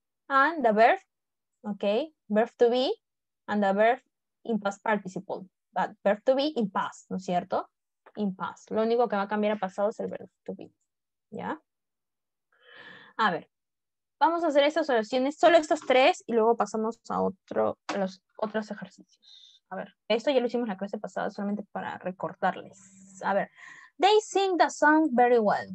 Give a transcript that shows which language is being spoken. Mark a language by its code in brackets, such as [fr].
[en] And the verb, ok, verb to be, and the verb in past participle. But verb to be in past, [es] ¿no es cierto? [en] In past. [es] Lo único que va a cambiar a pasado es el verb to be, ¿ya? A ver. Vamos a hacer estas oraciones, solo estos tres, y luego pasamos a otro, los otros ejercicios. A ver, esto ya lo hicimos la clase pasada, solamente para recordarles. A ver, [en] they sing the song very well.